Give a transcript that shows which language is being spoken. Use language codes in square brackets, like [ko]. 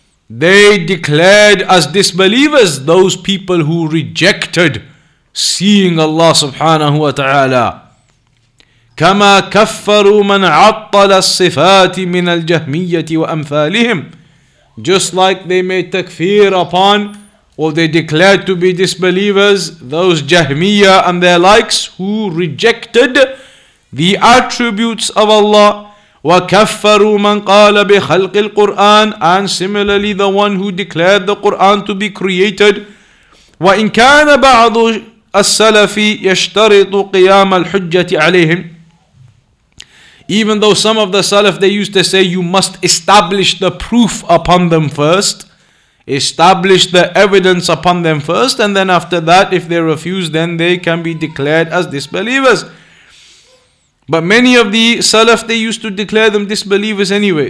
[en] They declared as disbelievers those people who rejected seeing Allah [ar] سبحانه وتعالى. كما كفروا من عطل الصفات من الجهمية وأمثالهم. [en] Just like they made takfir upon, or they declared to be disbelievers, those Jahmiyyah and their likes who rejected the attributes of Allah. [ar] وكفروا من قال بخلق القرآن. [en] And similarly, the one who declared the Quran to be created. [ar] وإن كان بعض السلف يشترط قيام الحجة عليهم. [en] Even though some of the Salaf, they used to say, you must establish the proof upon them first. Establish the evidence upon them first. And then after that, if they refuse, then they can be declared as disbelievers. But many of the Salaf, they used to declare them disbelievers anyway.